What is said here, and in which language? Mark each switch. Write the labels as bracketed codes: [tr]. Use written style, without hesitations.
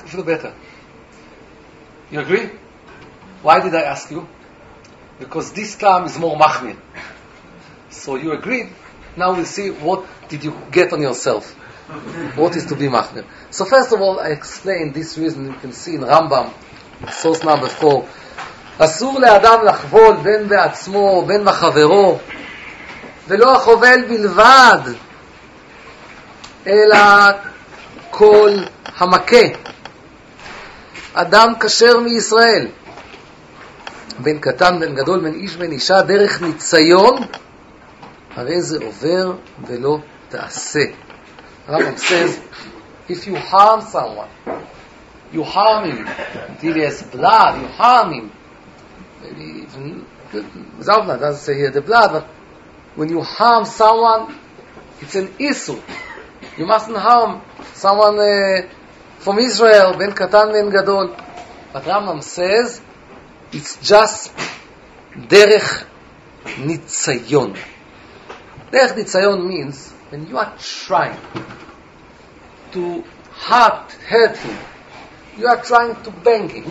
[en] Right? I feel better. You agree? Why did I ask you? Because this term is more machmir. So you agreed. Now we'll see what did you get on yourself. What is to be machmir? So first of all, I explain this reason. You can see in Rambam, source number 4. [he] אסור לאדם לחבול בין בעצמו בין בחברו ולא החובל בלבד אלא כל המכה אדם כשר מישראל בין קטן בין גדול בין איש בין אישה דרך ניציון הרי זה עובר ולא תעשה [en] רמב"ם says if you harm someone you harm him until he has blood you harm him Zavna doesn't say here the blood, but when you harm someone, it's an issue. You mustn't harm someone from Israel, Ben Katan, Ben Gadol. But Rambam says, it's just Derech Nitzayon. Derech Nitzayon means, when you are trying to hurt him, you are trying to bang him.